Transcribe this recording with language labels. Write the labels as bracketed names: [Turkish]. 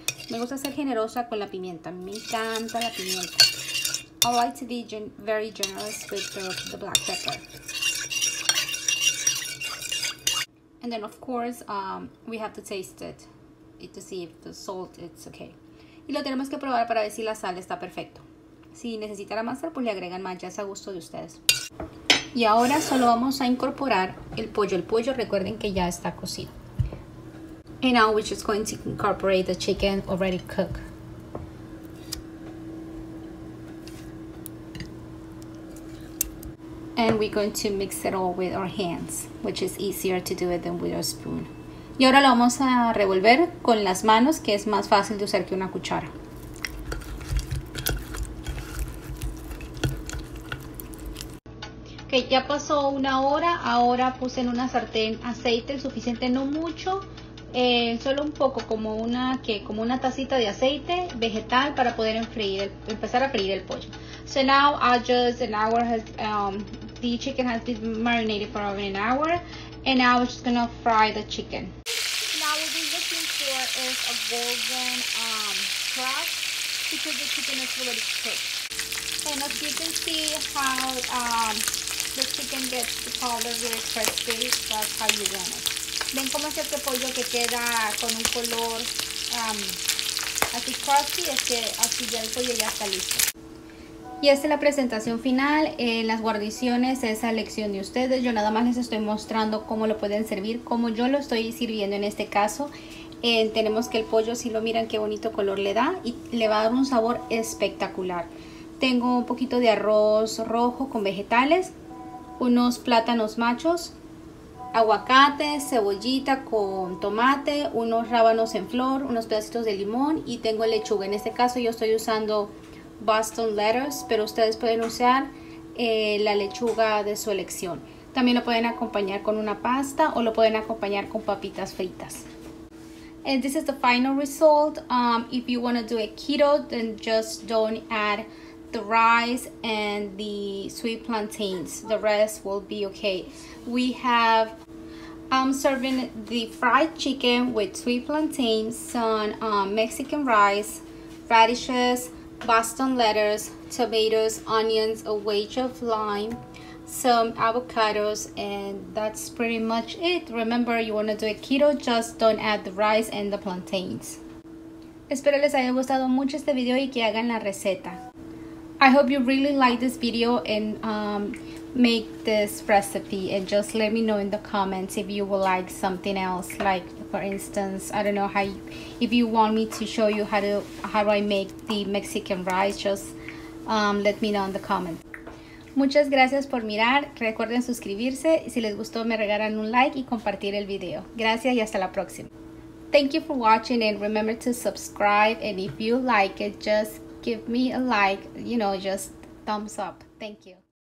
[Spanish] Me gusta ser generosa con la pimienta. Me encanta la pimienta. [English] I like to be very generous with the black pepper. And then of course, we have to taste it to see if the salt is okay. [Spanish] Y lo tenemos que probar para ver si la sal está perfecto. Si necesitan amasar, pues le agregan más, ya es a gusto de ustedes. Y ahora solo vamos a incorporar el pollo. El pollo, recuerden que ya está cocido. [English] And now we're just going to incorporate the chicken already cooked. And we're going to mix it all with our hands, which is easier to do it than with a spoon. [Spanish] Y ahora lo vamos a revolver con las manos, que es más fácil de usar que una cuchara. Ok, ya pasó una hora. Ahora puse en una sartén aceite, el suficiente, no mucho. Solo un poco, como una tacita de aceite vegetal para poder empezar a freír el pollo. [English] So now the chicken has been marinated for over an hour, and now we're just gonna fry the chicken. Now what we're looking for is a golden crust because the chicken is already cooked. And as you can see how the chicken gets the color really crispy, that's how you want it. [Spanish] ¿Ven cómo es este pollo que queda con un color así crusty? Es que así ya el pollo ya está listo. Y esta es la presentación final. Las guarniciones es a elección de ustedes. Yo nada más les estoy mostrando cómo lo pueden servir, como yo lo estoy sirviendo en este caso. Tenemos que el pollo, si lo miran qué bonito color le da, y le va a dar un sabor espectacular. Tengo un poquito de arroz rojo con vegetales, unos plátanos machos, aguacate, cebollita con tomate, unos rábanos en flor, unos pedacitos de limón y tengo lechuga. En este caso yo estoy usando Boston lettuce, pero ustedes pueden usar la lechuga de su elección. También lo pueden acompañar con una pasta o lo pueden acompañar con papitas fritas. [English] And this is the final result. If you want to do a keto, then just don't add the rice and the sweet plantains. The rest will be okay. We have, I'm serving the fried chicken with sweet plantains, some Mexican rice, radishes, Boston lettuce, tomatoes, onions, a wedge of lime, some avocados, and that's pretty much it. Remember, you want to do a keto, just don't add the rice and the plantains. [Spanish] Espero les haya gustado mucho este video y que hagan la receta. [English] I hope you really like this video and make this recipe, and just let me know in the comments if you would like something else, like for instance, I don't know how you, if you want me to show you how I make the Mexican rice, just let me know in the comments. [Spanish] Muchas gracias por mirar, recuerden suscribirse, si les gustó me regalan un like y compartir el video. Gracias y hasta la próxima. [English] Thank you for watching and remember to subscribe, and if you like it, just give me a like, you know, just thumbs up. Thank you.